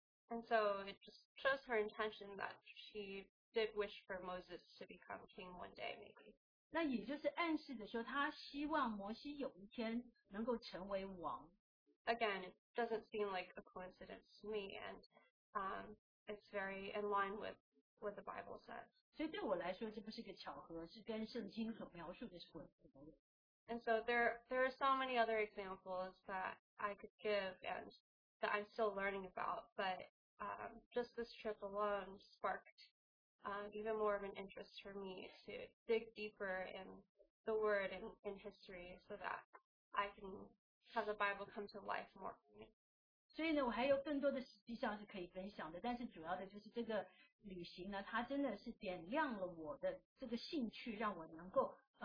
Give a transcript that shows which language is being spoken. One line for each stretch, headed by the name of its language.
English: And so it just shows her intention that she did wish for Moses to become king one day, maybe.
Chinese: 那也就是暗示的说，她希望摩西有一天能够成为王。
English: Again, it doesn't seem like a coincidence to me, and it's very in line with what the Bible says.
Chinese: 所以对我来说，这不是一个巧合，是跟圣经所描述的是吻合的。
English: And so there are so many other examples that I could give and that I'm still learning about, but just this trip alone sparked even more of an interest for me to dig deeper in the Word and in history so that I can have the Bible come to life more for me.
Chinese: 所以呢，我还有更多的实际上是可以分享的，但是主要的就是这个旅行呢，它真的是点亮了我的这个兴趣，让我能够